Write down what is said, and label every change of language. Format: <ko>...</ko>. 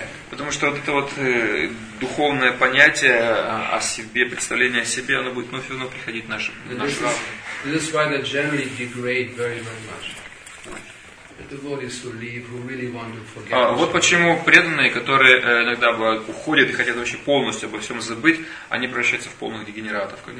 <ru>Потому что вот это вот духовное понятие о себе, представление о себе, оно будет вновь и вновь приходить в наш ум.</ru> <en>This is why they generally degrade very, very much. Devotees who leave, who really want to forget.</en> <ru>Вот почему преданные, которые иногда уходят и хотят вообще полностью обо всем забыть, они превращаются в полных дегенератов.</ru>